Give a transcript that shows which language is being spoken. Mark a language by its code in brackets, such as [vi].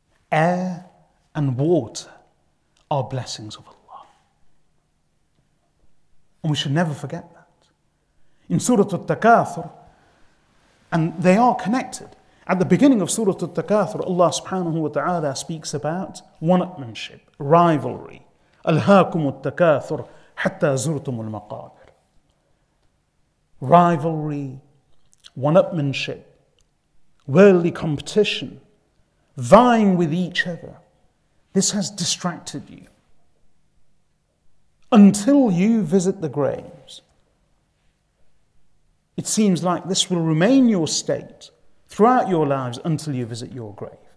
[en] Air and water are blessings of Allah. And we should never forget that. In Surah At-Takathur, and they are connected, At the beginning of Surah Al-Takathur, Allah subhanahu wa ta'ala speaks about one-upmanship, rivalry. [ar] أَلْهَاكُمُ التَّكَاثُرْ حَتَّى زُرْتُمُ الْمَقَابِرِ. [en] Rivalry, one-upmanship, worldly competition, vying with each other. This has distracted you. Until you visit the graves, it seems like this will remain your state throughout your lives until you visit your grave.